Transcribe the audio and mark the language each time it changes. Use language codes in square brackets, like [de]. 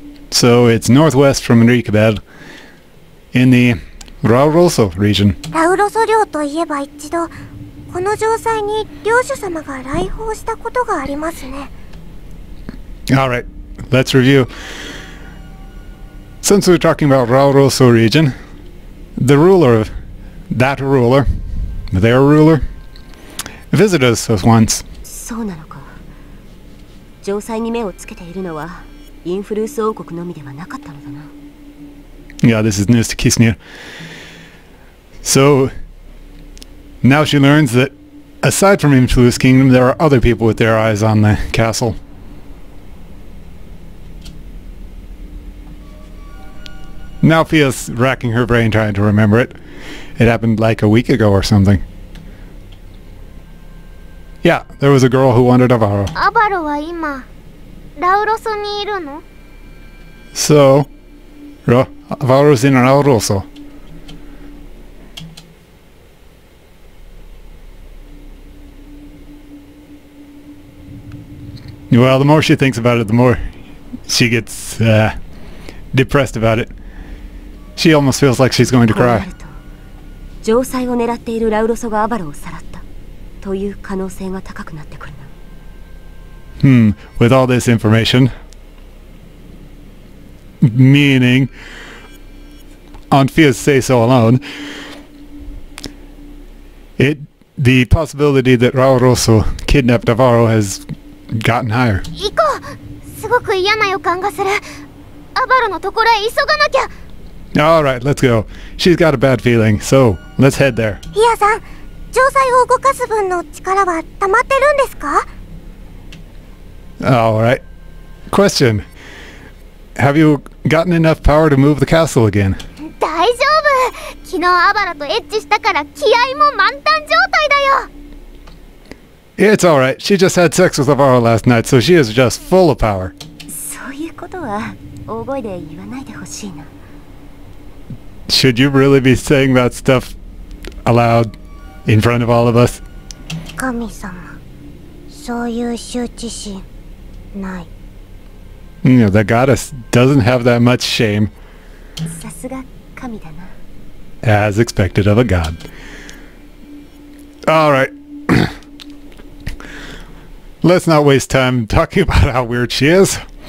[en] So it's northwest from Rickbell, in the Rauroso region. [ja] Rauroso 領といえば一度、この城塞に領主様が来訪したことがありますね。 [en] Alright, let's review. Since we're talking about Rauroso region, the ruler of that ruler their ruler? Visit us once. [ja] そうなのか。城塞に目をつけているのはインフルース王国のみではなかったのだな。 [en] Yeah, this is news to Kisnir. So, now she learns that aside from Influence Kingdom, there are other people with their eyes on the castle. Now Fia's racking her brain trying to remember it. It happened like a week ago or something. Yeah, there was a girl who wanted Avaro. [ja] Avaro wa ima, Lauroso ni iru no? [en] So, Avaro's in Lauroso. Well, the more she thinks about it, the more she gets depressed about it. She almost feels like she's going to cry. [ja] 城塞を狙っているラウロソがアバロをさらったという可能性が高くなってくるな。 [en] With all this information, meaning on Fia's say-so alone, the possibility that ラウロソ kidnapped Avaro has gotten higher. [ja] 行こう。すごく嫌な予感がする。アバロのところへ急がなきゃ。 [en] All right, let's go. She's got a bad feeling, so let's head there. [ja] Fia-san, 城塞を動かす分の力は溜まってるんですか? [en] All right. Question. Have you gotten enough power to move the castle again? [ja] 大丈夫。昨日アバラとエッチしたから気合も満タン状態だよ。 [en] It's all right. She just had sex with Avaro last night, so she is just full of power. [ja] そういうことは大声で言わないでほしいな。 [en] Should you really be saying that stuff aloud in front of all of us? [ja] 神様、そういう羞恥心ない。 [en] No, the goddess doesn't have that much shame. [ja] さすが神だな。 [en] As expected of a god. All right. Let's not waste time talking about how weird she is.